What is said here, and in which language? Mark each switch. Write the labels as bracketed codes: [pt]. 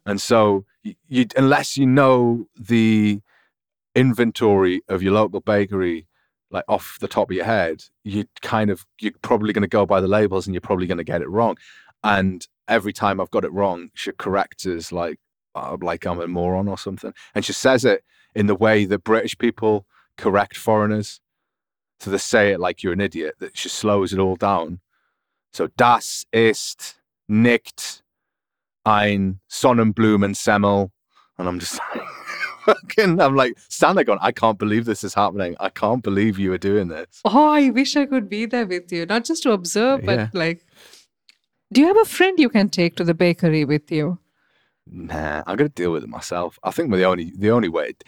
[en] And so unless you know the inventory of your local bakery, like off the top of your head, you're probably going to go by the labels and you're probably going to get it wrong. And every time I've got it wrong, she corrects us like I'm a moron or something. And she says it in the way that British people correct foreigners. So they say it like you're an idiot, that she slows it all down. [de] So das ist nicht ein Sonnenblumensemmel. [en] And I'm just fucking, I'm like, stand there going, I can't believe this is happening. I can't believe you are doing this. Oh, I wish I could be there with you. Not just to observe, but like, do you have a friend you can take to the bakery with you? Nah, I'm going to deal with it myself. I think we're the only way.